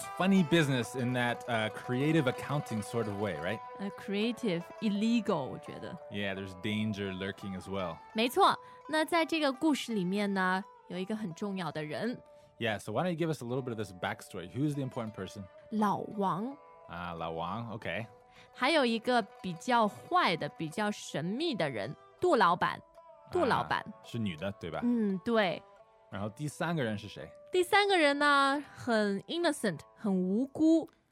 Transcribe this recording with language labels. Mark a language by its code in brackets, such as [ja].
[en] Funny business in that creative accounting sort of way, right? Creative, illegal, [zh] 我觉得。 [en] Yeah, there's danger lurking as well. [zh] 没错，那在这个故事里面呢，有一个很重要的人。 [en] Yeah, so why don't you give us a little bit of this backstory? Who's the important person? [zh] 老王。老王, okay. 还有一个比较坏的，比较神秘的人，杜老板。杜老板。是女的，对吧？嗯，对。然后第三个人是谁？第三个人呢，很 innocent， 很无辜。